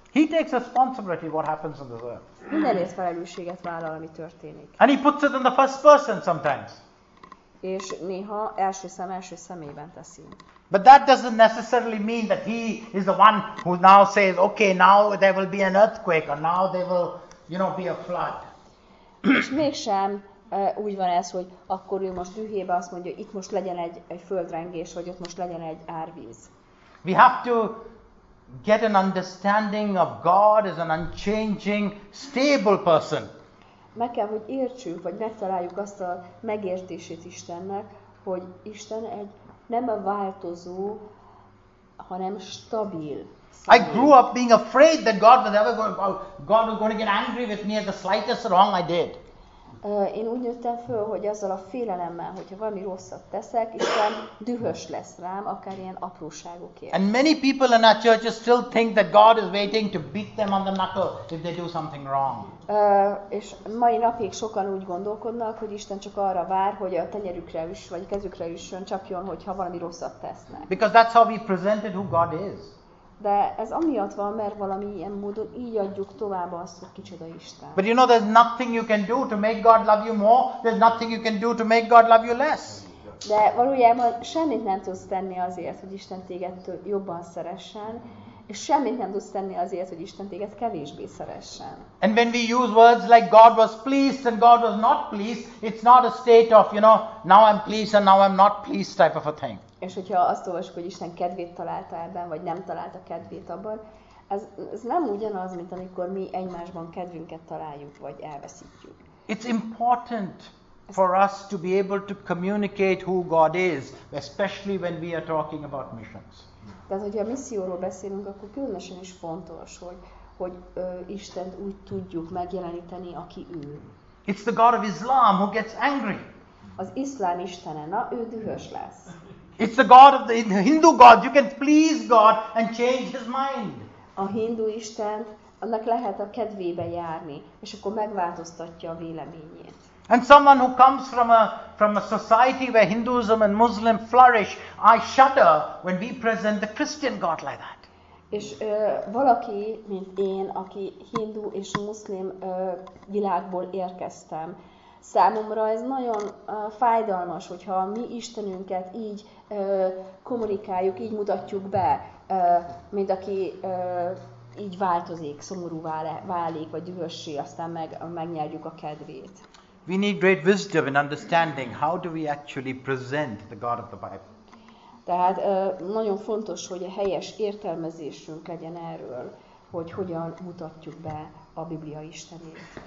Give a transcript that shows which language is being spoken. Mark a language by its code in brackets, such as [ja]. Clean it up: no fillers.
[en] He takes responsibility what happens on the earth. [hu] Mindenért felelősséget vállal, ami történik. [en] And he puts it in the first person sometimes. [hu] És néha első személyben teszi. [en] But that doesn't necessarily mean that he is the one who now says, okay, now there will be an earthquake, or now there will, you know, be a flood. [hu] És mégsem úgy van ez, hogy akkor ő most dühébe azt mondja, itt most legyen egy földrengés, vagy ott most legyen egy árvíz. [en] We have to get an understanding of God as an unchanging, stable person. [hu] Meg kell, hogy értsünk, vagy megtaláljuk azt a megértését Istennek, hogy Isten egy nem változó, hanem stabil személy. [en] I grew up being afraid that God was going to get angry with me at the slightest wrong I did. [hu] Én úgy nőttem föl, hogy azzal a félelemmel, hogyha valami rosszat teszek, Isten dühös lesz rám, akár ilyen apróságokért. [en] And many people in our churches still think that God is waiting to beat them on the knuckle if they do something wrong. [hu] És mai napig sokan úgy gondolkodnak, hogy Isten csak arra vár, hogy a tenyerükre is, vagy a kezükre is csapjon, hogyha valami rosszat tesznek. [en] Because that's how we presented who God is. [hu] De ez amiatt van, mert valami ilyen módon így adjuk tovább azt, hogy kicsoda Isten. [en] But you know, there's nothing you can do to make God love you more. There's nothing you can do to make God love you less. [hu] De valójában semmit nem tudsz tenni azért, hogy Isten téged jobban szeressen, és semmit nem tudsz tenni azért, hogy Isten téged kevésbé szeressen. [en] And when we use words like God was pleased and God was not pleased, it's not a state of, you know, now I'm pleased and now I'm not pleased type of a thing. [hu] És hogyha azt olvasjuk, hogy Isten kedvét találta ebben, vagy nem találta kedvét abban, ez nem ugyanaz, mint amikor mi egymásban kedvünket találjuk, vagy elveszítjük. [en] It's important for us to be able to communicate who God is, especially when we are talking about missions. [hu] Tehát, hogyha a misszióról beszélünk, akkor különösen is fontos, hogy Istent úgy tudjuk megjeleníteni, aki ő. [en] It's the God of Islam who gets angry. [hu] Az iszlám istene, na ő dühös lesz. [en] It's the God of the Hindu God. You can please God and change his mind. [hu] A hindu istent, annak lehet a kedvébe járni, és akkor megváltoztatja a véleményét. [en] And someone who comes from a society where Hinduism and Muslim flourish, I shudder when we present the Christian God like that. [hu] És valaki, mint én, aki hindu és muszlim világból érkeztem, számomra ez nagyon fájdalmas, hogyha mi Istenünket így kommunikáljuk, így mutatjuk be, mint aki így változik, szomorú válik, vagy dühössé, aztán megnyerjük a kedvét. [en] We need great wisdom in understanding how do we actually present the God of the Bible. [hu] Tehát nagyon fontos, hogy a helyes értelmezésünk legyen erről, hogy hogyan mutatjuk be a Biblia Istenét.